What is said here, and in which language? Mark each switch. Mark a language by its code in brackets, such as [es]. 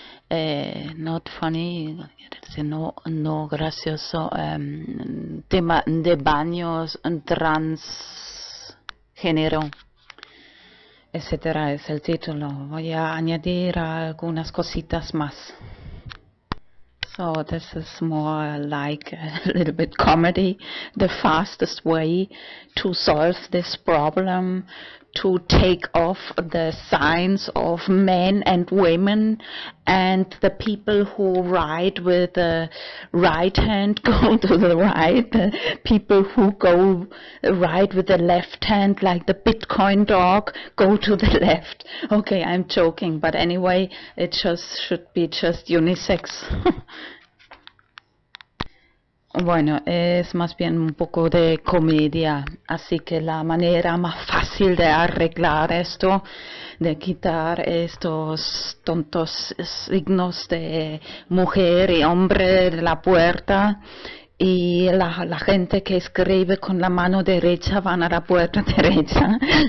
[en] Not funny, [es] no gracioso. Tema de baños transgénero, etcétera, es el título. Voy a añadir algunas cositas más. [en] So this is more like a little bit comedy. The fastest way to solve this problem, to take off the signs of men and women, and the people who write with the right hand go to the right, the people who go write with the left hand, like the Bitcoin dog, go to the left. Okay, I'm joking, but anyway, it just should be just unisex. [es] Bueno, es más bien un poco de comedia, así que la manera más fácil de arreglar esto, de quitar estos tontos signos de mujer y hombre de la puerta, y la gente que escribe con la mano derecha van a la puerta derecha,